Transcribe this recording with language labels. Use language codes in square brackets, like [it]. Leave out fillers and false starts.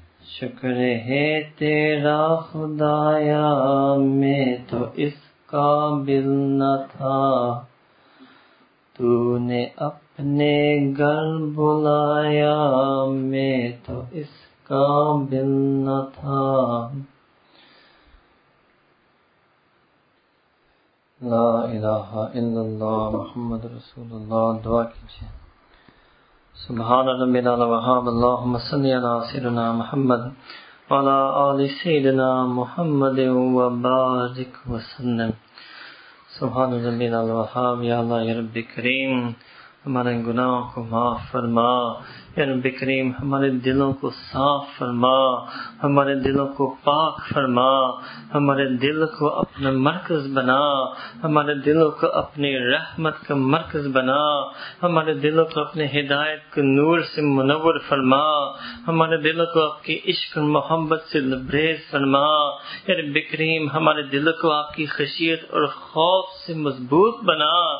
[ur] شکر ہے تیرا خدایا میں تو اس قابل نہ تھا, تو نے اپنے گھر بلایا میں تو اس قابل نہ تھا, [ar] لا الہ الا اللہ محمد رسول اللہ. [ur] دعا کیجیے. [ar] سبحان ربنا الوهاب اللهم صل على سيدنا محمد وعلى آل سيدنا محمد وبارك وسلم. سبحان ربنا الوهاب يا الله يا رب كريم. [ur] ہمارے گناہوں کو معاف فرما، یا رب کریم ہمارے دلوں کو صاف فرما، ہمارے دلوں کو پاک فرما، ہمارے دل کو اپنا مرکز بنا، ہمارے دلوں کو اپنی رحمت کا مرکز بنا، ہمارے دلوں کو اپنے ہدایت کے نور سے منور فرما، ہمارے دلوں کو آپ کی عشق اور محبت سے لبریز فرما، یا رب کریم ہمارے دلوں کو آپ کی خشیت اور خوف سے مضبوط بنا،